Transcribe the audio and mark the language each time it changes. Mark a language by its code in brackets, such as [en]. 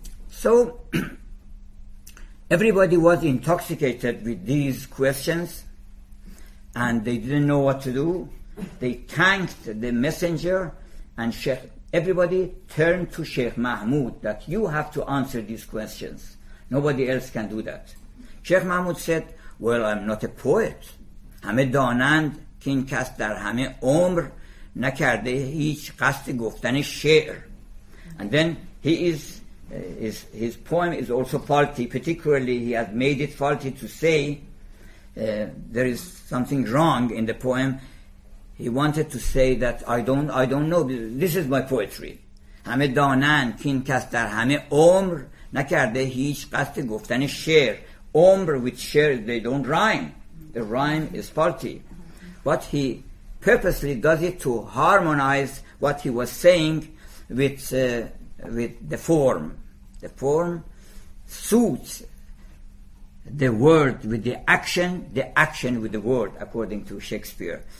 [en] So, everybody was intoxicated with these questions, and they didn't know what to do. They thanked the messenger, and everybody turned to Sheikh Mahmud, that you have to answer these questions. Nobody else can do that. Sheikh Mahmud said, well, I'm not a poet. [fa] همه دانند که این کس در همه عمر نکرده هیچ قصد گفتن شعر. [en] And then he is his poem is also faulty. Particularly, he has made it faulty to say there is something wrong in the poem. He wanted to say that I don't know. This is my poetry. [fa] همه دانند کین کس در همه عمر نکرده هیچ قصد گفتن شعر. [en] عمر with شعر, they don't rhyme. The rhyme is faulty. But he purposely does it to harmonize what he was saying with the form. The form suits the word with the action with the word, according to Shakespeare.